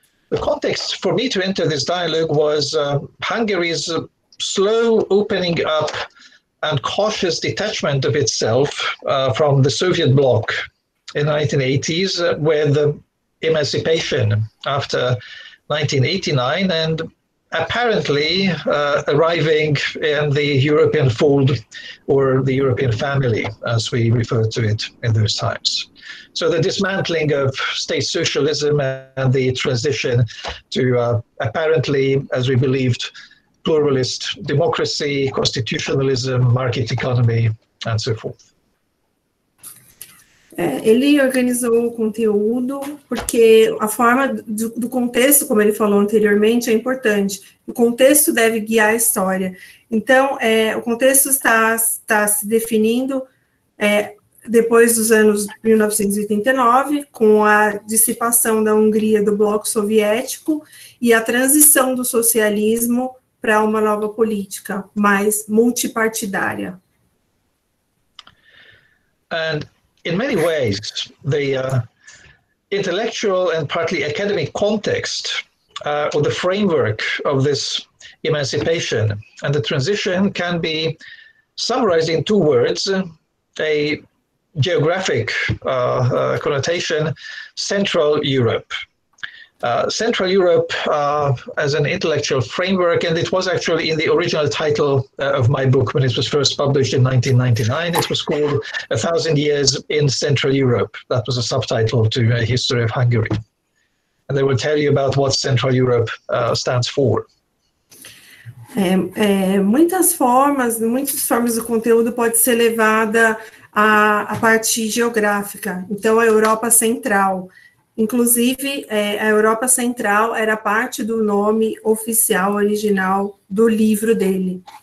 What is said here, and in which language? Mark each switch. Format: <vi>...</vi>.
<en>The context for me to enter this dialogue was Hungary's slow opening up and cautious detachment of itself from the Soviet bloc in the 1980s, where the emancipation after 1989 and apparently arriving in the European fold or the European family, as we refer to it in those times. So the dismantling of state socialism and the transition to apparently, as we believed, pluralist democracy, constitutionalism, market economy, and so forth.</en> <pt>Ele organizou o conteúdo porque a forma do contexto, como ele falou anteriormente, é importante. O contexto deve guiar a história. Então, o contexto está se definindo depois dos anos 1989, com a dissipação da Hungria do bloco soviético e a transição do socialismo para uma nova política mais multipartidária.</pt> <en>In many ways, the intellectual and partly academic context or the framework of this emancipation and the transition can be summarized in two words, a geographic connotation, Central Europe. Central Europe as an intellectual framework, and it was actually in the original title of my book when it was first published in 1999. It was called A Thousand Years in Central Europe. That was a subtitle to a history of Hungary. And they will tell you about what Central Europe stands for.</en> <pt>Muitas formas do conteúdo pode ser levada à parte geográfica. Então, a Europa Central. Inclusive, a Europa Central era parte do nome oficial, original, do livro dele.</pt>